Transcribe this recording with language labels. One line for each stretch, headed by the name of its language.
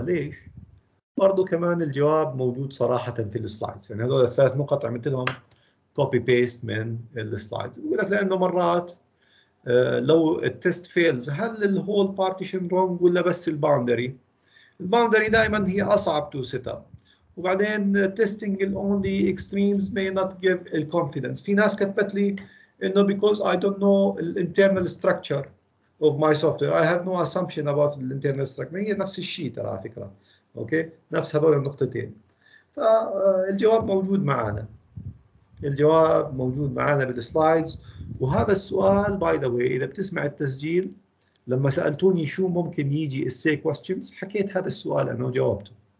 Arabic: ليش؟ برضو كمان الجواب موجود صراحة في السلايدز، يعني هذول الثلاث نقط عملت لهم كوبي بيست من السلايدز. بقول لك لأنه مرات لو التست فيلز، هل الهول بارتيشن رونج ولا بس الباوندري؟ الباوندري دائما هي أصعب تو سيت أب. وبعدين
English: testing only extremes may not give a confidence.
Arabic: في ناس كتبت لي إنه
English: because I don't know the internal structure of my software I have no assumption about the internal structure.
Arabic: هي نفس الشيء ترى على فكرة. أوكي؟ نفس هذول النقطتين. فالجواب موجود معنا. الجواب موجود معنا بالسلايدز. وهذا السؤال
English: by the way
Arabic: إذا بتسمع التسجيل لما سألتوني شو ممكن يجي essay questions حكيت هذا السؤال أنا وجاوبته.